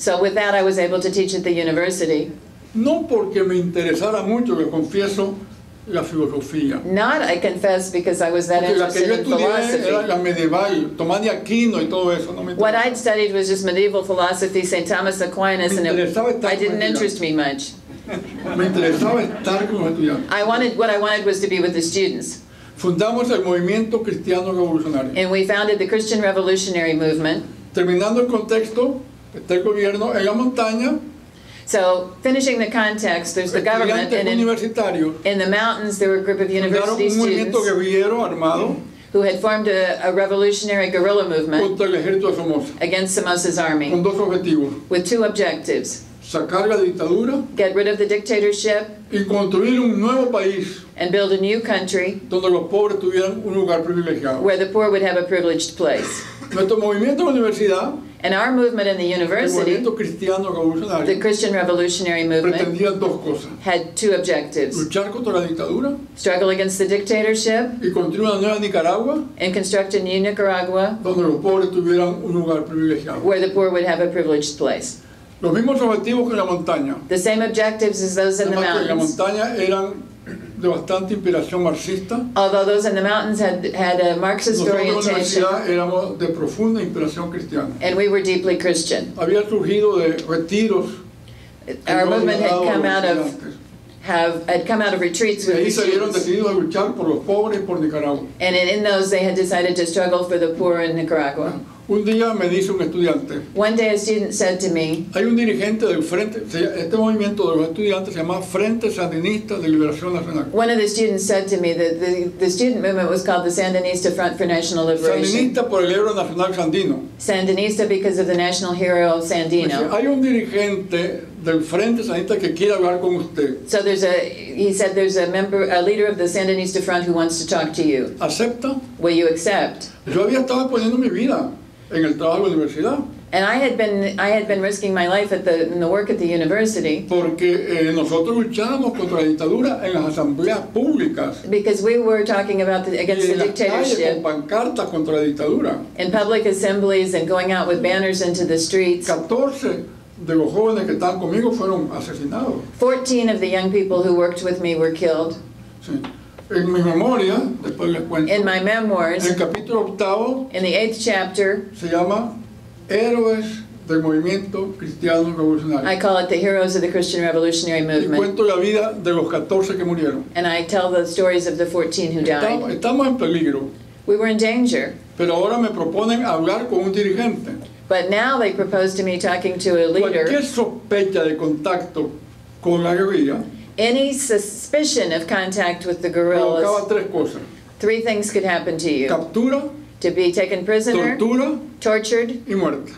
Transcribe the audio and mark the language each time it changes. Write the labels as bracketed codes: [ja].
[en] So with that, I was able to teach at the university. [es] No porque me interesara mucho, que confieso, la filosofía. [en] Not, I confess, because I was that [es] porque [en] interested [es] la que yo [en] in philosophy. [es] Estudié era la medieval, Tomás de Aquino y todo eso. No me [en] what I'd studied was just medieval philosophy, St. Thomas Aquinas, [es] me [en] and it I didn't interest me much. [es] Me interesaba estar con los estudiantes. [en] What I wanted was to be with the students. [es] Fundamos el movimiento cristiano revolucionario. [en] And we founded the Christian Revolutionary Movement. [es] Terminando el contexto, está el gobierno en la montaña. [en] So, finishing the context, there's the government. [es] Estudiantes universitarios. [en] In the mountains, there were a group of university students. [es] Fundaron un movimiento guerrillero armado. [en] Who had formed a revolutionary guerrilla movement. [es] Contra el ejército de Somoza. [en] Against Somoza's army. [es] Con dos objetivos. [en] With two objectives. [es] Sacar la dictadura, [en] get rid of the dictatorship, [es] y construir un nuevo país, [en] and build a new country [es] donde los pobres tuvieran un lugar privilegiado, [en] where the poor would have a privileged place. [es] Nuestro movimiento en la universidad, [en] and our movement in the university, [es] el movimiento cristiano revolucionario, [en] the Christian Revolutionary Movement, [es] pretendía dos cosas, [en] had two objectives, [es] luchar contra la dictadura, [en] struggle against the dictatorship, [es] y construir una nueva Nicaragua, [en] and construct a new Nicaragua [es] donde los pobres tuvieran un lugar privilegiado, [en] where the poor would have a privileged place. [es] Los mismos objetivos que en la montaña. [en] The same objectives as those in the mountains. [es] Además, la montaña eran de bastante inspiración marxista. [en] Although those in the mountains had a Marxist [es] nosotros [en] orientation. [es] Nosotros en la universidad éramos de profunda inspiración cristiana. [en] And we were deeply Christian. [es] Había surgido de retiros. [en] Our movement had come out of retreats with Christians. [es] Y ahí salieron decididos a luchar por los pobres y por Nicaragua. [en] And in those they had decided to struggle for the poor in Nicaragua. [es] Un día me dice un estudiante. [en] One day a student said to me. [es] Hay un dirigente del frente, este movimiento de los estudiantes se llama Frente Sandinista de Liberación Nacional. [en] One of the students said to me that the student movement was called the Sandinista Front for National Liberation. [es] Sandinista por el héroe nacional Sandino. [en] Sandinista because of the national hero of Sandino. [es] Dice, hay un dirigente del Frente Sandinista que quiere hablar con usted. [en] So there's a, he said there's a member, a leader of the Sandinista Front who wants to talk to you. [es] ¿Acepta? [en] Will you accept? [es] Yo había estado poniendo mi vida. En el trabajo de la universidad. [en] And I had been risking my life at the in the work at the university. [es] Porque nosotros luchábamos contra la dictadura en las asambleas públicas. [en] Because we were talking about the, against [es] y en [en] the dictatorship. [es] Calle con pancartas contra la dictadura. [en] In public assemblies and going out with banners into the streets. [es] 14 de los jóvenes que estaban conmigo fueron asesinados. [en] 14 of the young people who worked with me were killed. [es] Sí. En mi memoria, después les cuento. [en] In my memoirs, [es] en el capítulo octavo, [en] in the eighth chapter, [es] se llama Héroes del Movimiento Cristiano Revolucionario. [en] I call it the Heroes of the Christian Revolutionary Movement. [es] Y cuento la vida de los 14 que murieron. [en] And I tell the stories of the 14 who died. [es] Estamos en peligro. [en] We were in danger. [es] Pero ahora me proponen hablar con un dirigente. [en] But now they propose to me talking to a leader. [es] Cualquier sospecha de contacto con la guerrilla. [en] Any suspicion of contact with the guerrillas, three things could happen to you. [es] Captura, [en] to be taken prisoner, [es] tortura, [en] tortured, [es] y muerte.